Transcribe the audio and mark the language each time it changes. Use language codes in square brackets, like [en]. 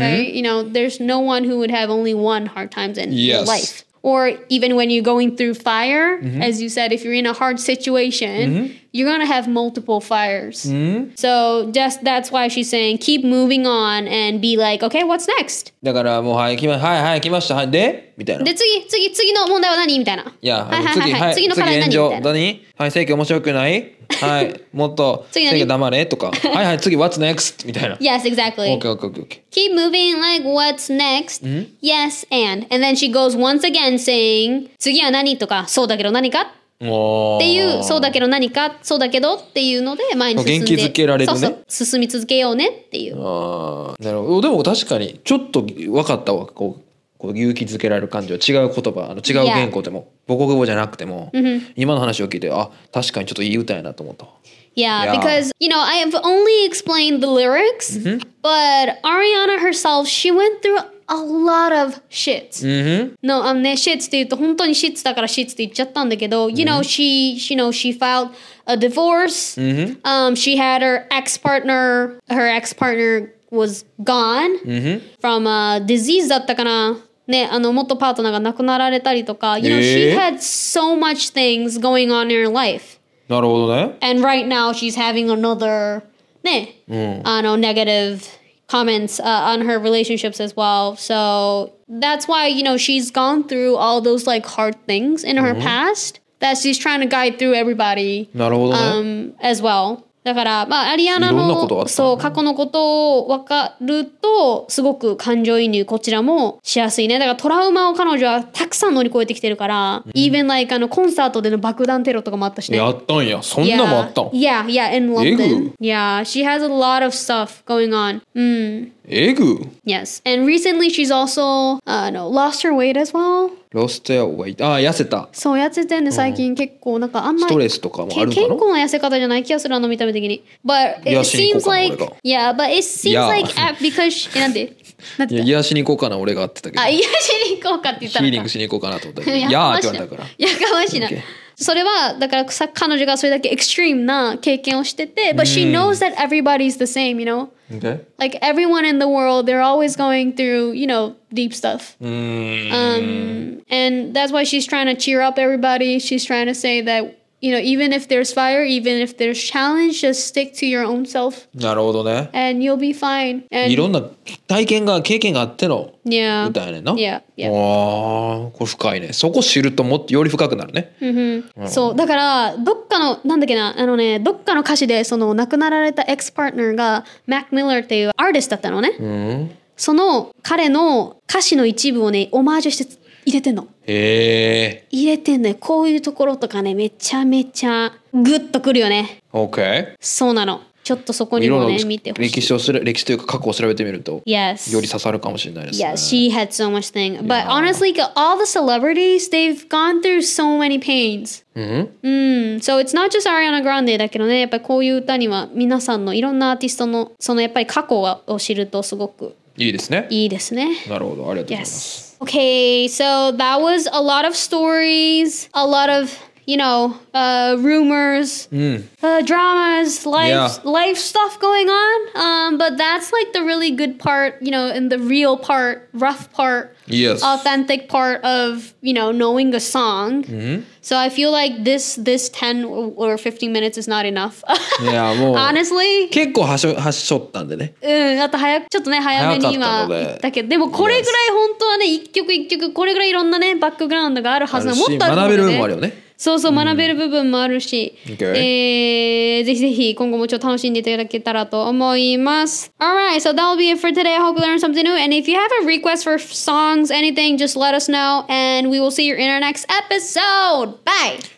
[en] right, you know there's no one who would have only one hard times in、 yes. life, or even when you're going through fire、mm-hmm. as you said, if you're in a hard situation、mm-hmm. you're gonna have multiple fires、 mm-hmm. so just that's why she's saying keep moving on and be like okay what's next、 [ja] だからもうはい来ました、はいはい来ました、はいでみたいな、で次の問題は何みたいな、いや、はいはいはいはい、次の課題何みたいな、何、はい、正解面白くない、はい、もっと次正解黙れとか、はいはい、次 [en] What's next [ja] みたいな、 [en] Yes, exactly、 OK, OK, OK, OK, keep moving like what's next、 mm-hmm. Yes, and then she goes once again saying [ja] 次は何とか、そうだけど何かっていう、そうだけど何か、そうだけどっていうので前に進んで元気づけられるね、そうそう進み続けようねっていう、あ、なるほど。でも確かにちょっと分かったわ、こう勇気づけられる感じは違う言葉、あの違う言語でも、 [en] yeah. [ja] 母国語じゃなくても、mm-hmm. 今の話を聞いて、あ、確かにちょっといい歌やなと思った。 [en] Yeah, yeah. because, you know, I have only explained the lyrics,、 mm-hmm. but Ariana herself, she went through a lot of shit.、 Mm-hmm. [ja] No, あのね、shit って言うと本当に shit だから shit って言っちゃったんだけど、mm-hmm. [en] you know, she filed a divorce,、 mm-hmm. She had her ex-partner was gone、 mm-hmm. from a disease [ja] だったかな。ね、あの元パートナーが亡くなられたりとか、 [en] you know, she had so much things going on in her life. [ja] なるほどね。 [en] And right now she's having another, ね、 [ja] うん、 [en] あの negative comments、on her relationships as well. So that's why, you know, she's gone through all those like hard things in her、うん、past that she's trying to guide through everybody. [ja] なるほどね。 [en] As well. [ja] だから、まあ、アリアナの、そう、過去のことを分かると、すごく感情移入、こちらもしやすいね。だから、トラウマを彼女はたくさん乗り越えてきてるから、うん、 [en] even like、 [ja] あの、コンサートでの爆弾テロとかもあったしね。やったんや。そんなもあったん。 [en] Yeah, yeah, in London. Yeah, she has a lot of stuff going on. うん。 [ja] えぐ。 [en] Yes. And recently, she's also, lost her weight as well. Lost your weight. [ja] ああ、痩せた。そう、痩せてんね、最近、うん、結構、なんかあんまり。ストレスとかもあるのかな？結構な痩せ方じゃない気がする、あの見た目的に。 [en] But it seems like, yeah, but it seems like, because, [ja] え、なんで？なんで？いや、癒しに行こうかな、俺がってたけど。あ、癒しに行こうかって言ったら。ヒーリングしに行こうかなと思ったけど。いやーって言われたから。やかましいな。それはだから彼女がそれだけエクストリームな経験をしてて、 [en] but she knows that everybody's the same, you know? Okay. Like everyone in the world, they're always going through, you know, deep stuff. And that's why she's trying to cheer up everybody. She's trying to say that, you know, even if there's fire, even if there's challenge, just stick to your own self. [ja] なるほどね。 [en] And you'll be fine. [ja] And いろんな体験が経験があっての歌やねんな。 [en] Yeah. Yeah. [ja] わー、これ深いね。そこ知るともっとより深くなるね。うん、そう、だからどっかのなんだっけな、あのね、どっかの歌詞でその亡くなられたエクスパートナーがマック・ミラーっていうアーティストだったのね。うん、その彼の歌詞の一部をね、オマージュして入れてんの。へえ。入れてんね。こういうところとかね、めちゃめちゃグッとくるよね。 [en] OK。 [ja] そうなの。ちょっとそこにもね、見てほしい。歴史をする、歴史というか過去を調べてみると、 [en] yes. [ja] より刺さるかもしれないですね。 [en] Yes, she had so much thing. But yeah. honestly, all the celebrities, they've gone through so many pains. Mm-hmm. [ja] Mm. [en] So it's not just [ja] Ariana Grande だけどね、やっぱりこういう歌には皆さんのいろんなアーティストのそのやっぱり過去を知るとすごくいいですね。いいですね。なるほど、ありがとうございます。 [en] Yes. Okay, so that was a lot of stories, a lot of, you know, rumors, dramas, life stuff going on. But that's like the really good part, you know, and the real part, rough part, yes. authentic part of, you know, knowing a song. Mm-hmm. So I feel like this 10 or 15 minutes is not enough. Yeah, [ja] もう [en] honestly. [ja] 結構はしょったんでね。うん、あと早く、ちょっとね、早めに今言ったけど、でもこれぐらい本当はね、一曲一曲、これぐらいいろんなね、バックグラウンドがあるはずなの。もっとあるね。学べる部分もあるよね。そうそう、学べる部分もあるし、ぜひぜひ今後もちょっと楽しんでいただけたらと思います。 [en] Alright, so that will be it for today. I hope you learned something new. And if you have a request for songs, anything, just let us know. And we will see you in our next episode. Bye!